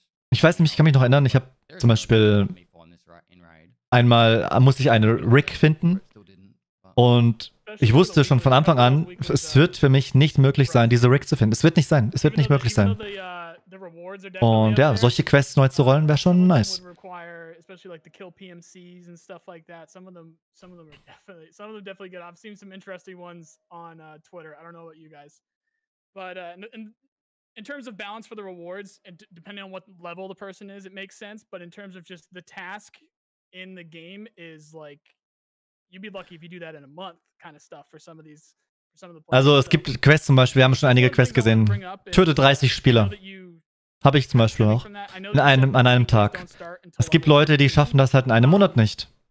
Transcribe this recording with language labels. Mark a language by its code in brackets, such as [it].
[de] Ich weiß nicht, ich kann mich noch erinnern, ich habe zum Beispiel einmal musste ich eine Rig finden und ich wusste schon von Anfang an, es wird für mich nicht möglich sein, diese Rig zu finden. Es wird nicht möglich sein. Und ja, solche Quests neu zu rollen, wäre schon nice. [en] Especially like the kill PMCs and stuff like that. Some of them definitely good. I've seen some interesting ones on Twitter. I don't know about you guys, but in terms of balance for the rewards, depending on what level the person is, it makes sense. But in terms of just the task in the game, is like you'd be lucky if you do that in a month kind of stuff for some of these. [de] Also es gibt Quests zum Beispiel. Wir haben schon einige Quests gesehen. Töte 30 Spieler. Habe ich zum Beispiel auch. An einem Tag. Es gibt Leute, die schaffen das halt in einem Monat nicht.